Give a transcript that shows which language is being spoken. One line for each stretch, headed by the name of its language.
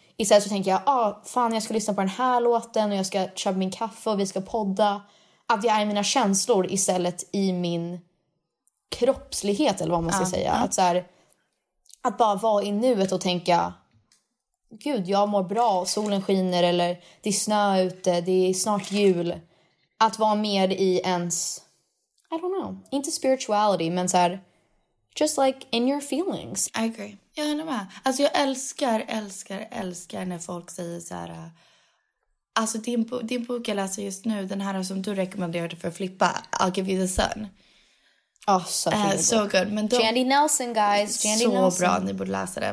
Swedish: Istället så tänker jag, fan, jag ska lyssna på den här låten och jag ska köpa min kaffe och vi ska podda. Att jag är i mina känslor istället i min kroppslighet, eller vad man ska säga. Att så här, att bara vara i nuet och tänka, gud, jag mår bra, solen skiner, eller det är snö ute, det är snart jul. Att vara mer i ens,
English: I don't know,
Swedish: inte spirituality, men så här,
English: just like in your feelings. I agree,
Swedish: jag håller med. Alltså jag älskar när folk säger så här, alltså din bok jag läser just nu, den här som du rekommenderade för att flippa,
English: I'll give you the sun.
Swedish: Så
English: good. Jandy Nelson, guys. Jandy
Swedish: så Nelson. Bra, ni borde läsa det.